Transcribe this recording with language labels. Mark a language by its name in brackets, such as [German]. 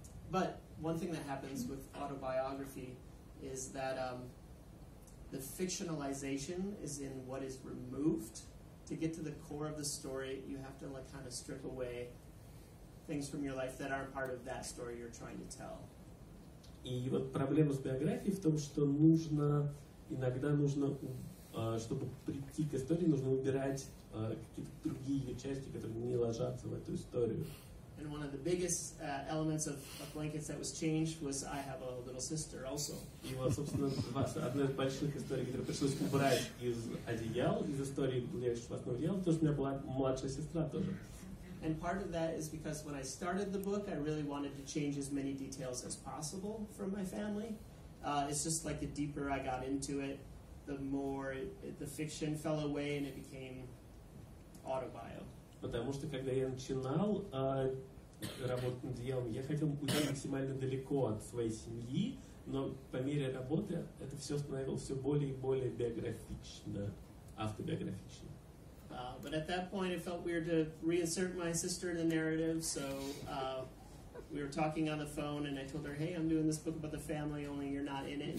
[English] But one thing that happens with autobiography is that the fictionalization is in what is removed. To get to the core of the story, you have to like kind of strip away things from your life that aren't part of that story you're trying to tell. [Russian] И вот проблема с биографией в том, что нужно иногда нужно, чтобы прийти к истории, нужно убирать какие-то другие ее части, которые не ложатся в эту историю. [English] And one of the biggest elements of blankets that was changed was I have a little sister also. [Russian] И вот, собственно, одна из больших историй, которую пришлось убрать из одеял, из истории, лежащих в основе одеяла, потому что у меня была младшая сестра тоже. [English] And part of that is because when I started the book, I really wanted to change as many details as possible from my family. It's just like the deeper I got into it, the more the fiction fell away and it became autobio. [Russian] Потому что когда я начинал работать над одеялом, я хотел уйти максимально далеко от своей семьи, но по мере работы это все становилось все более и более биографично, автобиографично. [English] But at that point it felt weird to reinsert my sister in the narrative, so we were talking on the phone and I told her, hey, I'm doing this book about the family, only you're not in it.